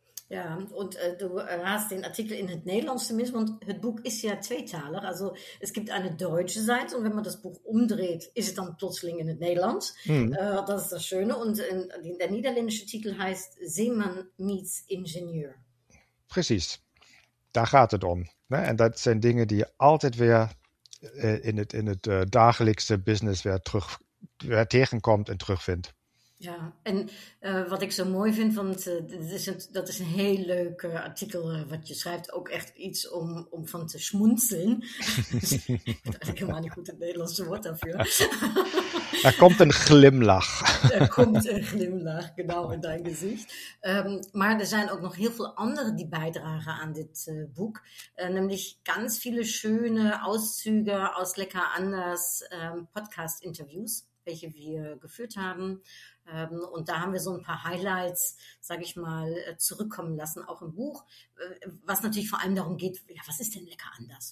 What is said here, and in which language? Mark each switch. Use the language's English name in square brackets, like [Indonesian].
[German] Ja, und du hast den Artikel [Dutch] in het Nederlands [German] zumindest, und [Dutch] het Boek [German] ist ja zweiteilig. Also es gibt eine deutsche Seite und wenn man das Buch umdreht, ist es dann plötzlich [Dutch] in het Nederlands. [German] Das ist das Schöne. Und der niederländische Titel heißt Seemann meets Ingenieur. [Dutch] Precies. Da gaat het om. En dat zijn dingen die altijd weer in het dagelijkse business weer tegenkomt en terugvindt. Ja, en wat ik zo mooi vind, want dat is een heel leuk artikel wat je schrijft. Ook echt iets om van te schmunzeln. Dat is eigenlijk helemaal niet goed het Nederlandse woord daarvoor. Er komt een glimlach. Er komt een glimlach, [German] genau, in dein Gesicht. [Dutch] Maar er zijn ook nog heel veel andere die bijdragen aan dit boek. Namelijk [German] ganz viele schöne Auszüge aus Lecker Anders Podcast-Interviews, welche wir geführt haben. Und da haben wir so ein paar Highlights, sage ich mal, zurückkommen lassen, auch im Buch, was natürlich vor allem darum geht, ja, was ist denn lecker anders?